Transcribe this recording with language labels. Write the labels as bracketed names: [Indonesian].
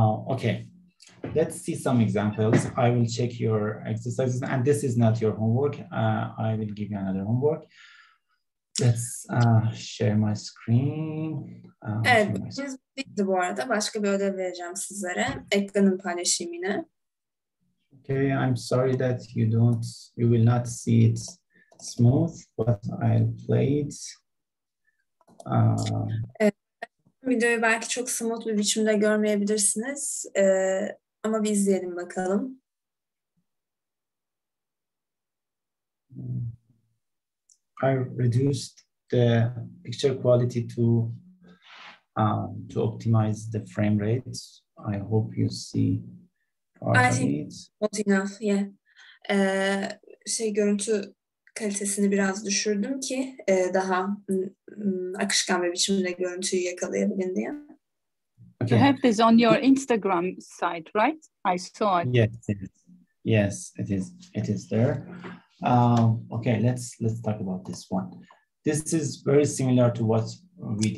[English] Okay, let's see some examples. I will check your exercises, and this is not your homework. I will give you another homework. Let's share my screen. [Turkish] Biz bu arada başka bir ödev vereceğim sizlere. Ekranın paylaşayım yine. [English] Okay, I'm sorry that you will not see it smooth, but I'll play it. [Turkish] Videoyu belki çok smooth bir biçimde görmeyebilirsiniz. Ama bir izleyelim bakalım. [English] I reduced the picture quality to optimize the frame rate. I hope you see part of it. Not enough, yeah. [Turkish] Görüntü kalitesini biraz düşürdüm ki daha akışkan bir biçimde görüntüyü yakalayabilin diye. [English] Okay. You have this on your Instagram site, right? I saw it. Yes, it is. It is there. Okay, let's talk about this one. This is very similar to what we did.